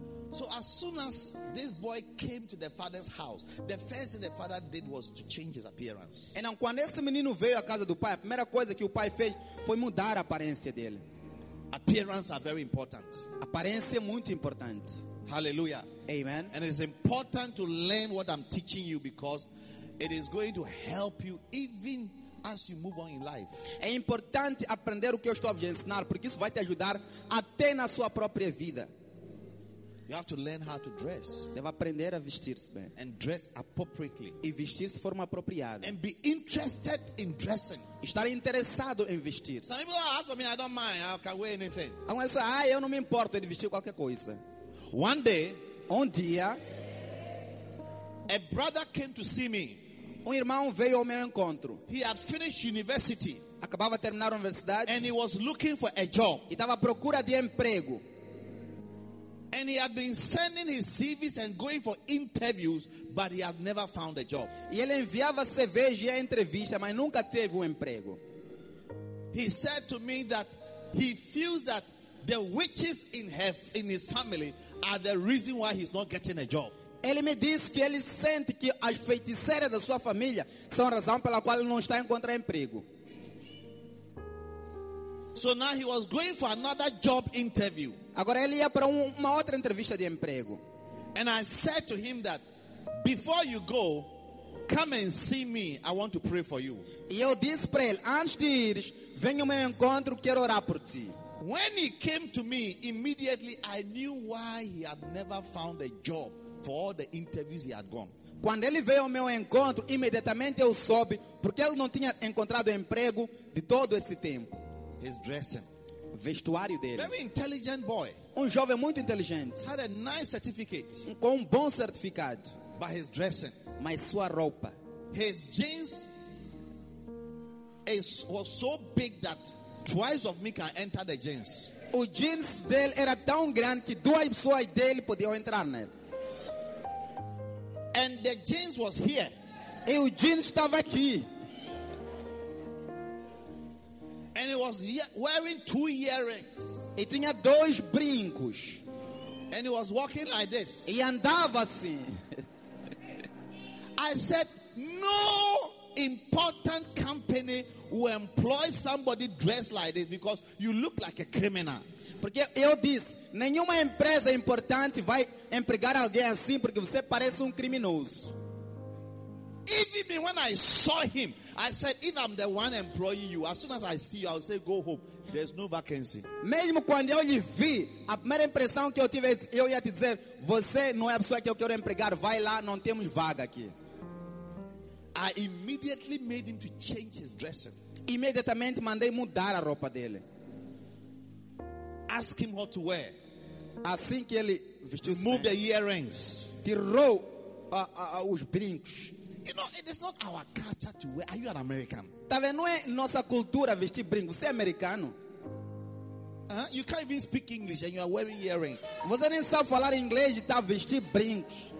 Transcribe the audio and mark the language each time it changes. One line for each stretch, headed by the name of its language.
English: So as soon as this boy came to the father's house, the first thing the father did was to change his appearance.
Portuguese: Então, quando esse menino veio à casa do pai, a primeira coisa que o pai fez foi mudar a aparência dele.
English: Appearance are very important.
Portuguese: Aparência é muito importante. Hallelujah. Amen.
English: And it's important to learn what I'm teaching you because it is going to help you even as you move on in life.
Portuguese: É importante aprender o que eu estou a ensinar porque isso vai te ajudar até na sua própria vida.
English: You have to learn how to dress.
Portuguese: Deve aprender a vestir-se bem.
English: And dress appropriately.
Portuguese: E vestir-se de forma apropriada.
English: And be interested in dressing.
Portuguese: Estar interessado em vestir.
English: Some people ask for me, I don't mind. I can wear anything.
Portuguese: Algumas pessoas, ah, eu não me importo de vestir qualquer coisa.
English: One day,
Portuguese: um dia,
English: a brother came to see me.
Portuguese: Um irmão veio ao meu encontro.
English: He had finished university.
Portuguese: Acabava de terminar a universidade.
English: And he was looking for a job.
Portuguese: E estava à procura de emprego.
English: And he had been sending his CVs and going for interviews, but he had never found a job.
Portuguese: E ele enviava CVs e entrevista, mas nunca teve emprego.
English: He said to me that he feels that the witches in his family are the reason why he's not getting a job.
Portuguese: Ele me disse que ele sente que as feiticeiras da sua família são a razão pela qual ele não está encontrando emprego.
English: So now he was going for another job interview.
Portuguese: Agora ele ia para uma outra entrevista de emprego.
English: And I said to him that before you go, come and see me. I want to pray for you.
Portuguese: E eu disse para ele, antes de ir, venha ao meu encontro, quero orar por ti.
English: When he came to me, immediately I knew why he had never found a job for all the interviews he had gone.
Portuguese: Quando ele veio ao meu encontro, imediatamente eu soube porque ele não tinha encontrado emprego de todo esse tempo.
English: His dressing.
Portuguese: vestuário dele.
English: Very intelligent boy.
Portuguese: Um jovem muito inteligente.
English: Had a nice certificate.
Portuguese: Com um bom certificado.
English: By his dressing.
Portuguese: Mas sua roupa.
English: His jeans was so big that twice of me can enter the jeans.
Portuguese: O jeans dele era tão grande que duas pessoas dele podiam entrar nele.
English: And the jeans was here.
Portuguese: E o jeans estava aqui.
English: And he was wearing two earrings.
Portuguese: E tinha dois brincos.
English: And he was walking like this.
Portuguese: E andava assim.
English: I said, no important company will employ somebody dressed like this because you look like a criminal.
Portuguese: Porque eu disse, nenhuma empresa importante vai empregar alguém assim porque você parece um criminoso.
English: Even when I saw him, I said, if I'm the one employing you, as soon as I see you, I'll say, go home. There's no vacancy.
Portuguese: Mesmo quando eu lhe vi, a primeira impressão que eu tive, eu ia te dizer, você não é a pessoa que eu quero empregar, vai lá, não temos vaga aqui.
English: I immediately made him to change his dressing.
Portuguese: Imediatamente mandei mudar a roupa dele.
English: Ask him what to wear.
Portuguese: Assim que ele vestiu,
English: move the earrings.
Portuguese: Tirou os brincos.
English: You know, it is not our culture to wear. Are you an American?
Portuguese: Tá vendo, não é nossa cultura vestir brinco. Você é americano?
English: You can't even speak English and you are wearing earrings.
Portuguese: Você nem sabe falar inglês e tá vestir brinco.